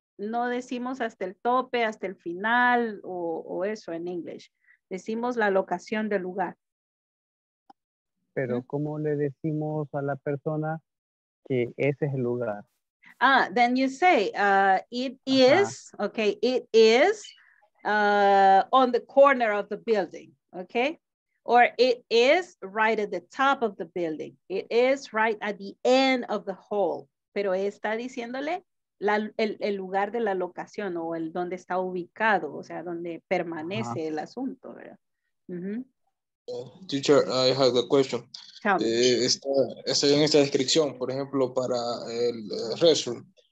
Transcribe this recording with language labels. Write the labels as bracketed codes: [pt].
[es] No decimos hasta el tope, hasta el final o eso en English. Decimos la locación del lugar. Pero ¿cómo le decimos a la persona que ese es el lugar? [en] Ah, then you say, it is, uh-huh. okay, it is on the corner of the building, okay? Or it is right at the top of the building. It is right at the end of the hall. [es] Pero está diciéndole el lugar de la locación o el donde está ubicado, o sea, donde permanece uh-huh. el asunto, ¿verdad? Mm-hmm. [en] Teacher, I have a question. [es] Está en esta descripción, por ejemplo, para el restroom.